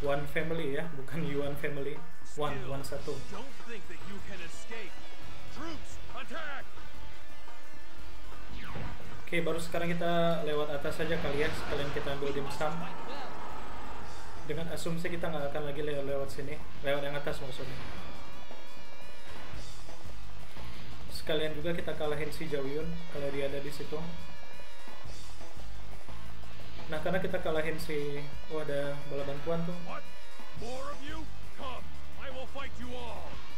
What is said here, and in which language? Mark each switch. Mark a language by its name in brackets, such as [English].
[Indonesian] Family ya, bukan Yuan family. Wan satu. [English] Don't think that you can escape. Troops, attack! [Indonesian] Oke, baru sekarang kita lewat atas saja kali ya, sekalian kita ambil dimsum. Dengan asumsi kita nggak akan lagi lewat sini, lewat yang atas maksudnya. Sekalian juga kita kalahin si Zhao Yun kalau dia ada di situ. Nah, karena kita kalahin si, oh ada bola bantuan tuh. [English] What? More of you? Come, I will fight you all.